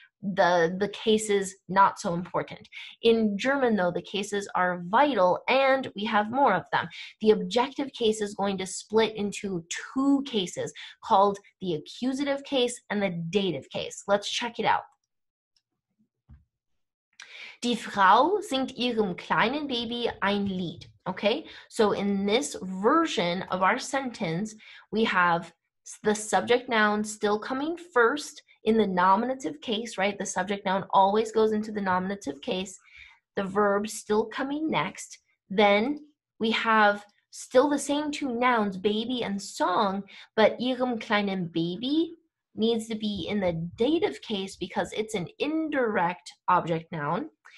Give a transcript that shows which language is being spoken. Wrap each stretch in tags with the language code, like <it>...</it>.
<en>the case is not so important. In German, though, the cases are vital and we have more of them. The objective case is going to split into two cases called the accusative case and the dative case. Let's check it out.</en> <de>Die Frau singt ihrem kleinen Baby ein Lied.</de> <en>Okay, so in this version of our sentence, we have the subject noun still coming first in the nominative case, right? The subject noun always goes into the nominative case. The verb still coming next. Then we have still the same two nouns, baby and song, but</en> <de>ihrem kleinen Baby</de> <en>needs to be in the dative case because it's an indirect object noun.</en>